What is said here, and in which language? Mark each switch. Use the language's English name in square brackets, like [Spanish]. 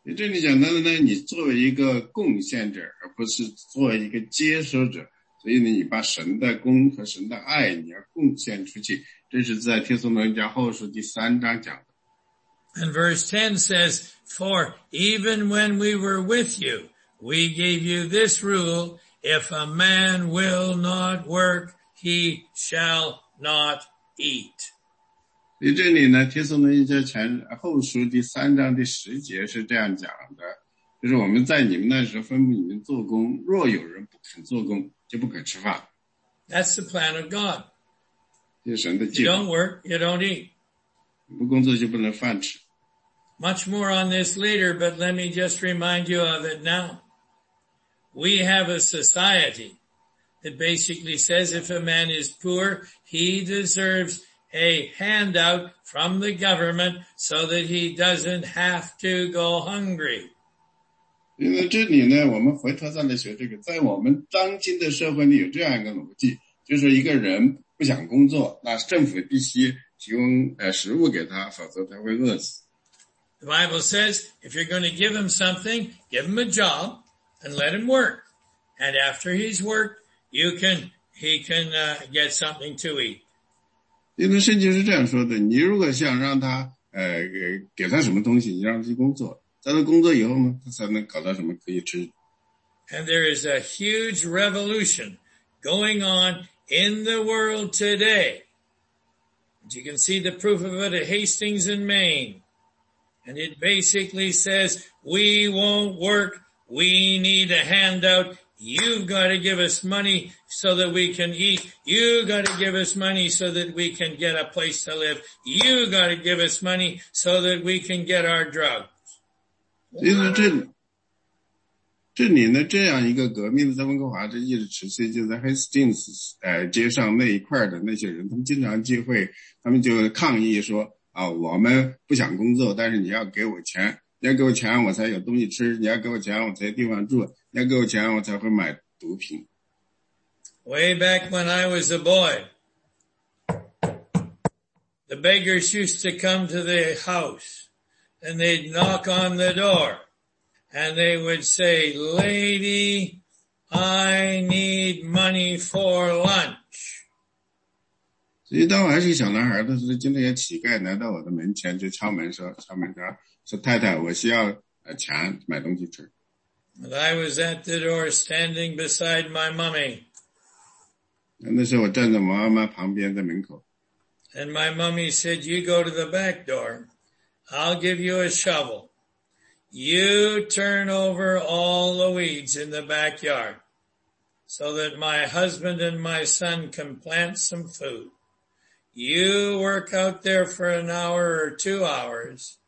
[Chinese] 这里讲到呢，你作为一个贡献者，而不是作为一个接收者。所以呢，你把神的功和神的爱，你要贡献出去。这是在帖撒罗尼迦后书第三章讲的。 [English] And verse 10 says, For even when we were with you, we gave you this rule, if a man will not work, he shall not eat. [Chinese] 所以这里呢，帖撒罗尼迦前后书第三章第十节是这样讲的，就是我们在你们那时吩咐你们做工，若有人不肯做工，就不肯吃饭。 [English] That's the plan of God. [Chinese] 这是神的计划。 [English] You don't work, you don't eat. [Chinese] 你不工作就不能饭吃。 [English] Much more on this later, but let me just remind you of it now. We have a society that basically says if a man is poor, he deserves a handout from the government so that he doesn't have to go hungry. [Chinese] 因为这里呢，我们回头再来学这个，在我们当今的社会里有这样一个逻辑，就是一个人不想工作，那政府必须提供食物给他，否则他会饿死。 [English] The Bible says, if you're going to give him something, give him a job and let him work. And after he's worked, he can get something to eat. [Chinese] 因为圣经是这样说的，你如果想让他给他什么东西，你让他去工作，在他工作以后呢，他才能搞到什么可以吃。 [English] And there is a huge revolution going on in the world today. And you can see the proof of it at Hastings in Maine. And it basically says, we won't work, we need a handout, you've got to give us money so that we can eat, you've got to give us money so that we can get a place to live, you've got to give us money so that we can get our drugs. [Chinese] 因为这里呢，这样一个革命在温哥华这一直持续，就在 Hastings 街上那一块的那些人，他们经常聚会，他们就抗议说，啊，我们不想工作，但是你要给我钱，你要给我钱我才有东西吃，你要给我钱我才有地方住，你要给我钱我才会买毒品。 [English] Way back when I was a boy, the beggars used to come to the house and they'd knock on the door and they would say, Lady, I need money for lunch. [Chinese] 所以当我还是小男孩的时候，就那些乞丐来到我的门前，就敲门说：“敲门说，说太太，我需要钱买东西吃。” [English] And I was at the door, standing beside my mommy. [Chinese] 那时候我站在我妈妈旁边，在门口。 [English] And my mommy said, "You go to the back door. I'll give you a shovel. You turn over all the weeds in the backyard, so that my husband and my son can plant some food." You work out there for an hour or 2 hours.